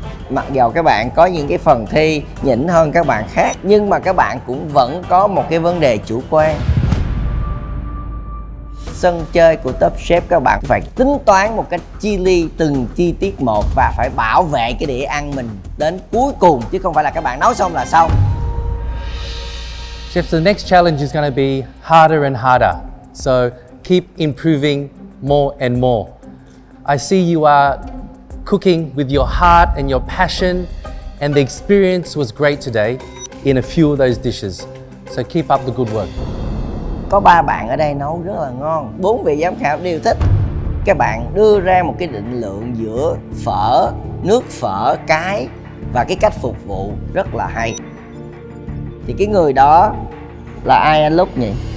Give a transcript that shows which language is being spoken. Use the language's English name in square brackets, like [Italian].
[Vietnamese] Mặc dù các bạn có những cái phần thi nhỉnh hơn các bạn khác, nhưng mà các bạn cũng vẫn có một cái vấn đề chủ quan. Sân chơi của Top Chef, các bạn phải tính toán một cách chi li từng chi tiết một và phải bảo vệ cái đĩa ăn mình đến cuối cùng, chứ không phải là các bạn nấu xong là xong. [English] Chef, the next challenge is going to be harder and harder. So keep improving more and more. I see you are cooking with your heart and your passion, and the experience was great today in a few of those dishes. So keep up the good work. [Vietnamese] Có ba bạn ở đây nấu rất là ngon, bốn vị giám khảo đều thích. Các bạn đưa ra một cái định lượng giữa phở, nước phở, cái và cái cách phục vụ rất là hay. Thì cái người đó là ai anh Lúc nhỉ?